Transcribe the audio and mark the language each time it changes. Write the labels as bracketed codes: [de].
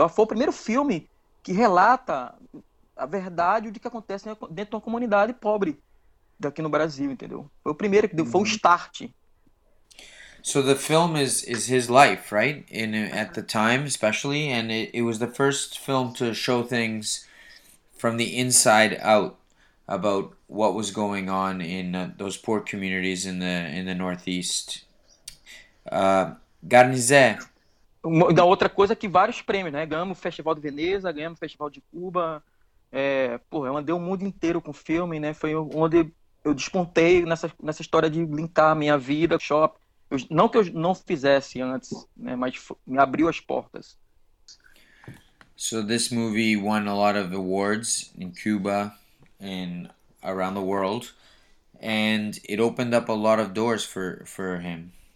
[pt] Foi o primeiro filme que relata a verdade do que acontece dentro de uma comunidade pobre daqui no Brasil, entendeu? Foi o primeiro, foi o start. [en] So the film is his life, right? In at the time especially, and it was the first film to show things from the inside out about what was going on in those poor communities in the Northeast. [pt] Garnizé. Da outra coisa que vários prêmios, né? Ganhamos o Festival de Veneza, ganhamos o Festival de Cuba. Pô, eu andei o mundo inteiro com filme, né? Foi onde eu despontei nessa história de linkar a minha vida, shopping. Não que eu não fizesse antes, né? Mas me abriu as portas. [en] So this movie won a lot of awards in Cuba and around the world, and it opened up a lot of doors for him.